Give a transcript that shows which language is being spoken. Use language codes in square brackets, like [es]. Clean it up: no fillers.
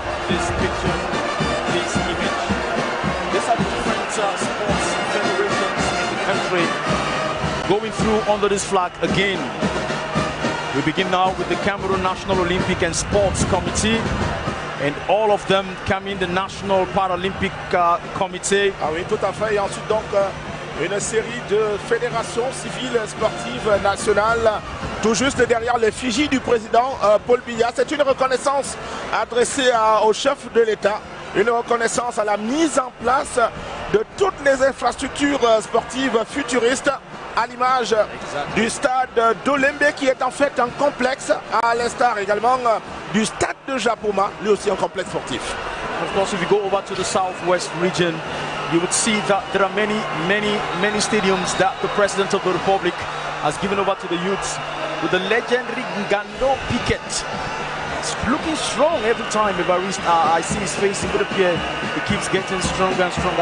[en] This picture, this image. These are different sports federations in the country going through under this flag again. We begin now with the Cameroon National Olympic and Sports Committee and all of them coming, the National Paralympic Committee. [fr] Ah oui, tout à fait. Et ensuite donc une série de fédérations civiles sportives nationales tout juste derrière l'effigie du président Paul Biya. C'est une reconnaissance adressée au chef de l'État, une reconnaissance à la mise en place de toutes les infrastructures sportives futuristes à l'image du stade d'Olembe qui est en fait un complexe, à l'instar également du stade de Japoma, lui aussi un complexe sportif. [en] Of course, if you go over to the southwest region, you would see that there are many stadiums that the president of the republic has given over to the youths, with the legendary Ngando Piquet. It's looking strong every time I see his face, it would appear he keeps getting stronger and stronger.